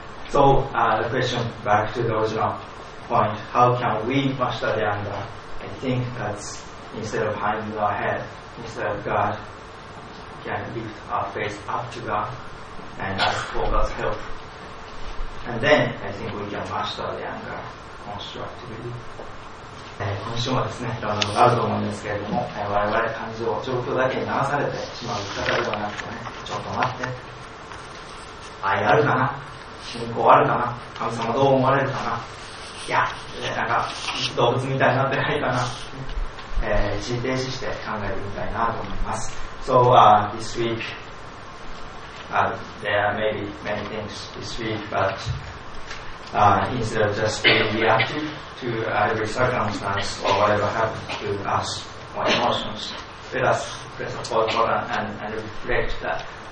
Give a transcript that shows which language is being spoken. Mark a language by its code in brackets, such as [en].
[en] So the question back to the original point: how can we master the anger? I think that's instead of hiding our head, instead of God, we can lift our face up to God and ask for God's help. And then I think we can master the anger constructively. [ja] 今週もですね、いろんなことがあると思うんですけれども、我々感情、状況だけに流されてしまう方ではなくてね、ちょっと待って、愛あるかな、信仰あるかな、神様どう思われるかな、いや、なんか動物みたいになってないかな、一時停止して考えてみたいなと思います。 [en] So, this week, there may be many things this week, but instead of just being reactive to every circumstance or whatever happens to us or emotions, let us press a pause button and reflect that.